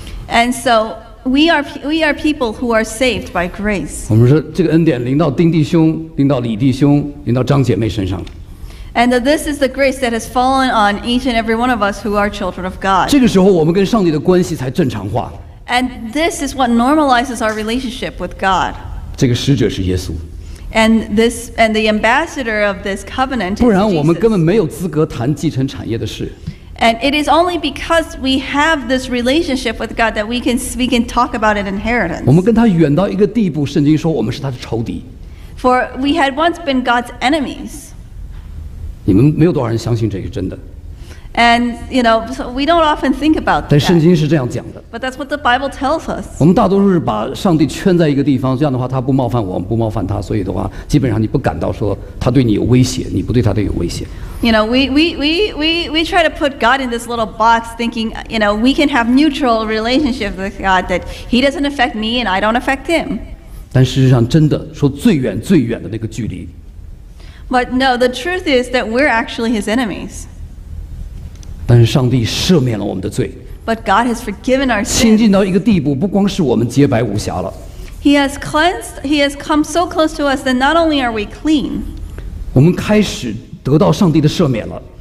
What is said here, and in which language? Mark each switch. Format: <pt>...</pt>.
<en>And so we are people who are saved by grace.</en> <zh>我们说这个恩典临到丁弟兄，临到李弟兄，临到张姐妹身上了。</zh> <en>And this is the grace that has fallen on each and every one of us who are children of God.</en> <zh>这个时候我们跟上帝的关系才正常化。</zh> <en>And this is what normalizes our relationship with God.</en> <zh>这个使者是耶稣。</zh> <en>And the ambassador of this covenant is Jesus.</en> <zh>不然我们根本没有资格谈继承产业的事。</zh> <en>And it is only because we have this relationship with God that we can talk about an inheritance.</en> <zh>我们跟他远到一个地步，圣经说我们是他的仇敌。</zh> <en>For we had once been God's enemies.</en> <zh>你们没有多少人相信这个真的。</zh> <en>And you know, so we don't often think about that.</en> <zh>但圣经是这样讲的。</zh> <en>But that's what the Bible tells us.</en> <zh>我们大多数是把上帝圈在一个地方，这样的话他不冒犯我，不冒犯他，所以的话，基本上你不感到说他对你有威胁，你不对他的有威胁。</zh> <en>You know, we try to put God in this little box, thinking you know we can have neutral relationship with God that He doesn't affect me and I don't affect Him.</en> <zh>但事实上，真的说最远最远的那个距离。</zh> <en>But no, the truth is that we're actually his enemies.</en> <zh>但是上帝赦免了我们的罪。</zh> <en>But God has forgiven our sins.</en> <zh>亲近到一个地步，不光是我们洁白无瑕了。</zh> <en>He has cleansed. He has come so close to us that not only are we clean.</en> <zh>我们开始得到上帝的赦免了。</zh>